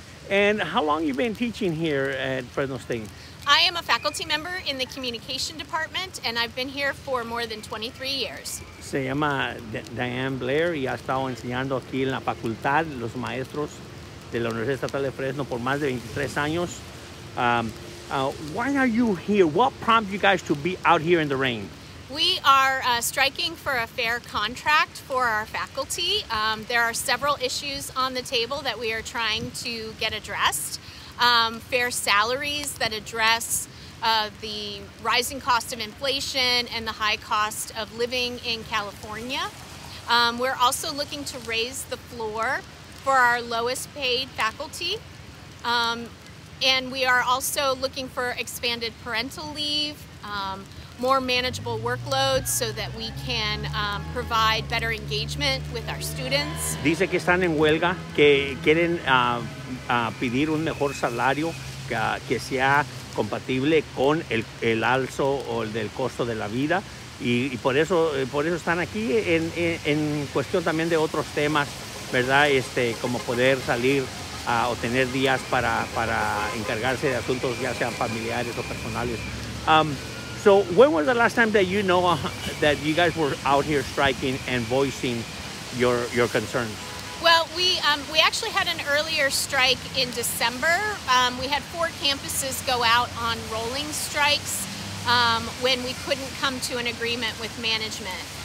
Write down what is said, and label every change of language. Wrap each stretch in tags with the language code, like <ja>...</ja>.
<en>And how long you been teaching here at Fresno State? I am a faculty member in the communication department, and I've been here for more than 23 years.</en> <es>Se llama Diane Blair y ha estado enseñando aquí en la facultad los maestros de la Universidad Estatal de Fresno por más de 23 años.</es> <en>Why are you here? What prompted you guys to be out here in the rain? We are striking for a fair contract for our faculty. There are several issues on the table that we are trying to get addressed. Fair salaries that address the rising cost of inflation and the high cost of living in California. We're also looking to raise the floor for our lowest paid faculty. And we are also looking for expanded parental leave, more manageable workloads so that we can provide better engagement with our students.</en> <es>Dice que están en huelga, que quieren pedir un mejor salario que sea compatible con el alzo o el del costo de la vida. Y por eso están aquí en cuestión también de otros temas, ¿verdad? Como poder salir o tener días para encargarse de asuntos ya sean familiares o personales.</es> <en>So when was the last time that you know that you guys were out here striking and voicing your concerns? Well, we actually had an earlier strike in December. We had four campuses go out on rolling strikes when we couldn't come to an agreement with management.</en>